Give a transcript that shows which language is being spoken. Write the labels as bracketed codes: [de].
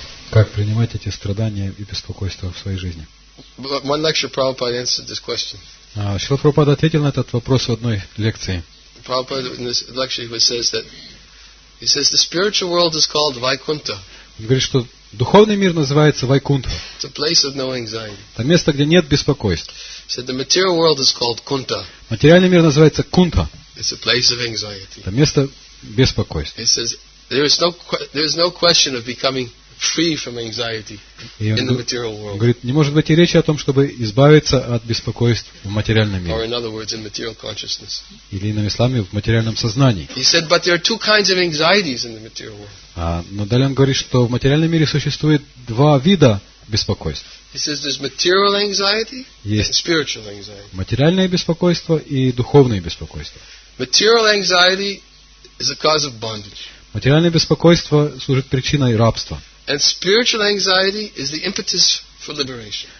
[ru] Как принимать эти страдания и беспокойство в своей жизни? [en] One lecture, Prabhupada answered this question. [ru] Шрила Прабхупада ответил на этот вопрос в одной лекции. [en] Prabhupada in this lecture he says that He says the spiritual world is called Vaikuntha. [ru] Он говорит, что духовный мир называется Вайкунта. [en] It's a place of no anxiety. [ru] Это место, где нет беспокойств. [en] He said the material world is called Kunta. [ru] Материальный мир называется Кунта. [en] It's a place of anxiety. [ru] Это место беспокойств. [en] He says there is no question of becoming free from anxiety in the material world. [ru] Он говорит, не может быть и речи о том, чтобы избавиться от беспокойств в материальном мире. [en] Or in other words, in material consciousness. [ru] Или иными словами, в материальном сознании. [en] He said, but there are two kinds of anxieties in the material world. [ru] Но далее он говорит, что в материальном мире существует два вида беспокойств. [en] He says there's material anxiety [ru] Есть [en] and spiritual anxiety. [ru] Материальное беспокойство и духовное беспокойство. [en] Material anxiety is a cause of bondage. [ru] Материальное беспокойство служит причиной рабства. [en] And spiritual anxiety is the impetus for liberation.